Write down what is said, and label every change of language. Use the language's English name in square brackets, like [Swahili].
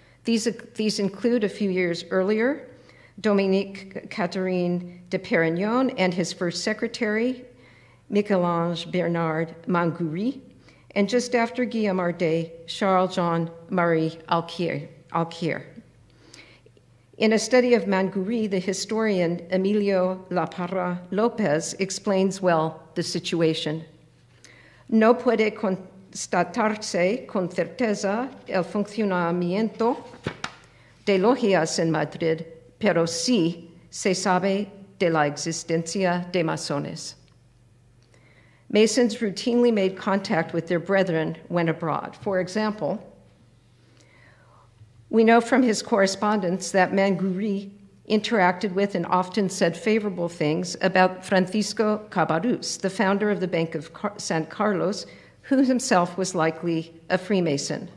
[English] These include a few years earlier, Dominique Catherine de Perignon and his first secretary, Michel-Ange Bernard Mangoury, and just after Guillaume-Arday, Charles-Jean Marie Alquier. In a study of Mangoury, the historian Emilio Laparra López explains well the situation. [Spanish] No puede constatarse con certeza el funcionamiento de logias en Madrid, pero sí se sabe de la existencia de masones. [English] Masons routinely made contact with their brethren when abroad. For example, we know from his correspondence that Mangoury interacted with and often said favorable things about Francisco Cabarrús, the founder of the Bank of San Carlos, who himself was likely a Freemason.